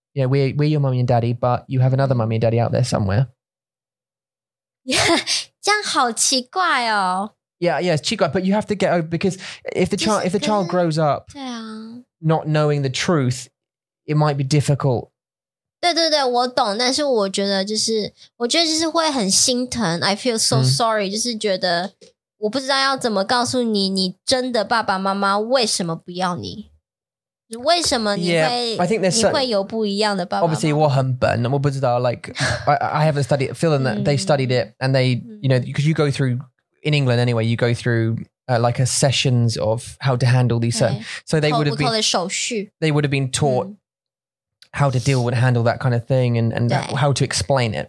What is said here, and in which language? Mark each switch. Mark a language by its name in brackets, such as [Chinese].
[English] Yeah, we're your mummy and daddy, but you have another mummy and daddy out there somewhere. [Chinese] Yeah, 这样好奇怪哦。 [English] Yeah, yeah, it's 奇怪, but you have to get over because if the child grows up not knowing the truth, it might be difficult. [Chinese] 对对对，我懂，但是我觉得就是，我觉得就是会很心疼。 [English] I feel so sorry, [Chinese] 就是觉得。我不知道要怎么告诉你，你真的爸爸妈妈为什么不要你？为什么你会 [English] yeah, I think there's [Chinese] 你会有不一样的爸爸妈妈 [English] ？Obviously, [Chinese] 我很笨，我不知道。 [English] Like, I haven't studied. Feeling that they studied it and they, you know, because you go through in England anyway, you go through、like a sessions of how to handle these. Certain, so they would have been [Chinese] 手续 [English] They would have been taught、嗯、how to deal with handle that kind of thing and how to explain it.